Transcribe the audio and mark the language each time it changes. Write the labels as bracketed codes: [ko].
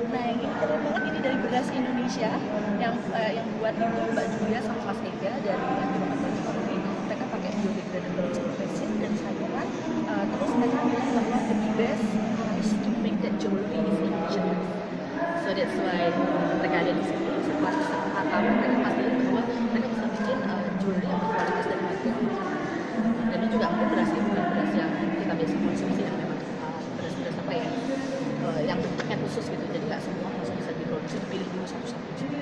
[id] Indonesia yang buat itu Mbak Julia sama Mas Ega dari mereka pakai biodegradable resin dan sayuran. Terus mereka bilang [en] the best is to make that jewelry is in China. So that's why [id] mereka ada di sini. Setelah saat tahu mereka pasti bahwa mereka bisa bikin jewelry yang berkualitas dan berkualitas. Dan ini juga mungkin berhasil dengan beras yang kita biasa konsumsi yang memang beras-beras apa ya yang bentuknya khusus gitu. Jadi nggak semua langsung bisa diproduksi, pilih dulu satu-satu.